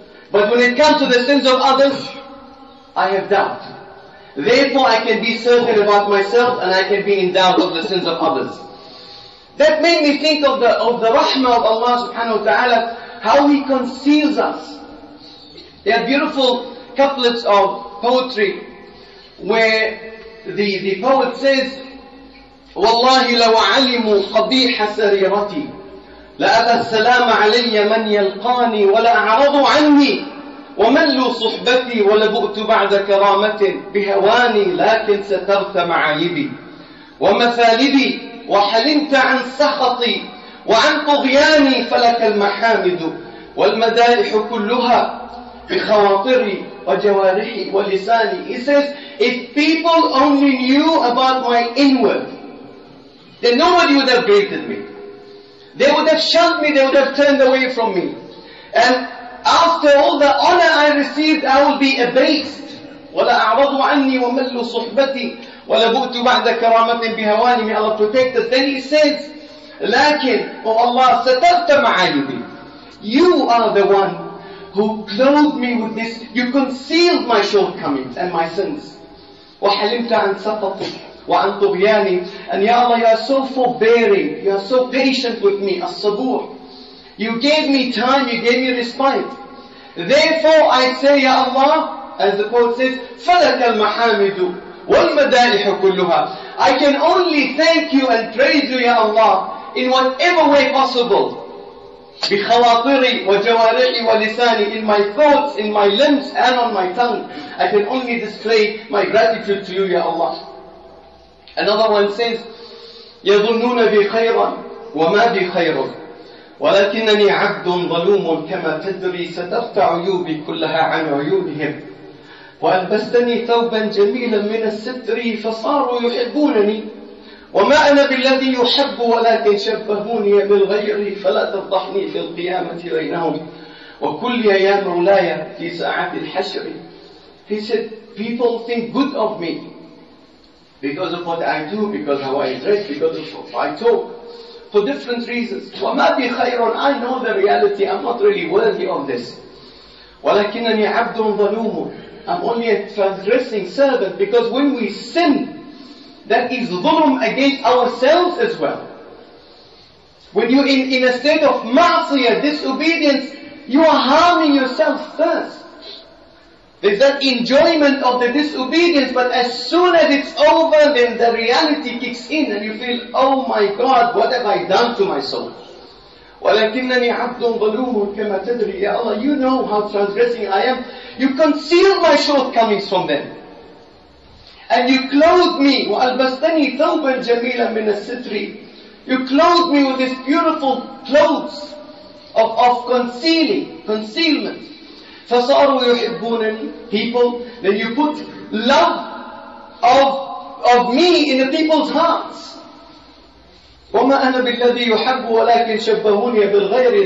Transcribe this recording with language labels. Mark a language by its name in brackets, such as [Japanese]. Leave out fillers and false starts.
[English] But when it comes to the sins of others, I have doubt. Therefore, I can be certain about myself and I can be in doubt of the sins of others. That made me think of the rahmah of Allah subhanahu wa ta'ala, how He conceals us. There are beautiful couplets of poetry where the poet says, [Arabic] وَاللَّهِ لَوْ عَلِمُوا قَبِيحَ سَرِيرَتِي لَأَبَى السَّلَامَ عَلَيَّ مَنْ يَلْقَانِي وَلَأَعْرَضُوا عَنِّي وَمَلُّوا صُحْبَتِي وَلَبُؤْتُ بَعْدَ كَرَامَةٍ بِهَوَانِي لَكِنْ سَتَرْتَ مَعَايِبِي وَمَثَالِبِي وَحَلِمْتَ عَنْ سَخَطِي وَعَنْ طُغْيَانِي فَلَكَ الْمَحَامِدُ وَالْمَدَائِحُ كُلُّهَا بِخَوَاطِرِي وَجَوَارِحِي وَلِسَانِي. [English] He says, if people only knew about my inward, then nobody would have greeted me. They would have shunned me, they would have turned away from me. And after all the honor I received, I will be abased. [Arabic] وَلَأَعْرَضُ عَنِّي وَمَلُّ صُحْبَتِي وَلَبُؤْتُ بَعْدَ كَرَامَةٍ بِهَوَانِي. [English] May Allah protect us. Then he says, [Arabic] لَكِنْ وَاللَّهُ سَتَرْتَ مَعَايِبِي. [English] You are the one who clothed me with this. You concealed my shortcomings and my sins. [Arabic] وَحَلِمْتَ عَنْ سَطَطِي وَعَنْ طُغْيَانِي. [English] And Ya Allah, you are so forbearing. You are so patient with me. [Arabic] الصبور. [English] You gave me time, you gave me respite. Therefore I say, Ya Allah, as the poet says, [Arabic] فَلَكَ الْمَحَامِدُ وَالْمَدَالِحُ كُلُّهَا. [English] I can only thank you and praise you, Ya Allah, in whatever way possible. [Arabic] بِخَوَاطِرِي وَجَوَارِحِي وَلِسَانِي. [English] In my thoughts, in my limbs, and on my tongue. I can only display my gratitude to you, Ya Allah. Another one says, [Arabic] يَظُنُّونَ بِخَيْرًا وَمَا بِخَيْرٌ ولكنني عبد ظلوم كما تدري سترت عيوبي كلها عن عيونهم وألبستني ثوبا جميلا من الستر فصاروا يحبونني وما أنا بالذي يحب ولكن شبهوني بالغير فلا تفضحني في القيامة بينهم وكل يا مولاي في ساعة الحشر. [English] He said, people think good of me because of what I do, because how I dress, because of what I talk. For different reasons. [Arabic] وَمَا بِخَيْرٌ. [English] I know the reality. I'm not really worthy of this. [Arabic] وَلَكِنَّنِي عَبْدٌ ظَلُومٌ. [English] I'm only a transgressing servant. Because when we sin, that is ظُلُم against ourselves as well. When you're in a state of ma'asiyah, disobedience, you are harming yourself first. There's that enjoyment of the disobedience, but as soon as it's over, then the reality kicks in and you feel, oh my God, what have I done to my soul? [Arabic] وَلَكِنَّنِي عَبْدٌ ظَلُومٌ كَمَا تَدْرِي. [English] Ya Allah, you know how transgressing I am. You conceal my shortcomings from them. And you clothe me, [Arabic] وَأَلْبَسْتَنِي ثَوْبًا جَمِيلًا مِنَ السِّتْرِ. [English] You clothe me with these beautiful clothes of concealing, concealment. [Arabic] فَصَارُوا يُحِبُّونَنِ. [English] People, then you put love of me in the people's hearts. [Arabic] وَمَا أَنَا بِالَّذِي يُحَبُّ وَلَكِنْ شَبَّهُونِيَ بِالْغَيْرِ.